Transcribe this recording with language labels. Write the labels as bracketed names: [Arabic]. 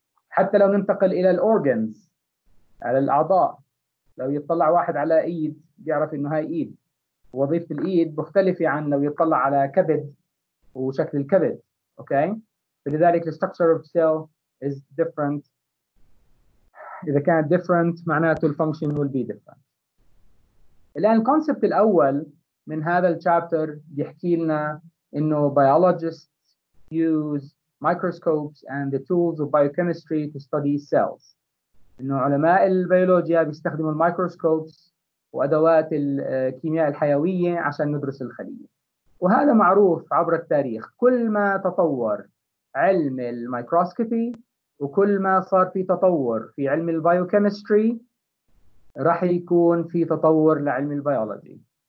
[Arabic] حتى لو ننتقل الى الاورجنز، على الاعضاء، لو يطلع واحد على ايد بيعرف انه هاي ايد، وظيفه الايد مختلفه عن لو يطلع على كبد وشكل الكبد. [English] okay, [Arabic] فلذلك [English] الستركتشر of cell is different. [Arabic] إذا كان different معناته الفانكشن [English] will be different. [Arabic] الآن الكونسبت الأول من هذا الشابتر بيحكي لنا إنه [English] biologists use microscopes and the tools of biochemistry to study cells. [Arabic] إنه علماء البيولوجيا بيستخدموا الميكروسكوبس وأدوات الكيمياء الحيوية عشان ندرس الخلية. وهذا معروف عبر التاريخ، كل ما تطور علم الميكروسكوبي وكل ما صار في تطور في علم البيوكيمستري راح يكون في تطور لعلم البيولوجي.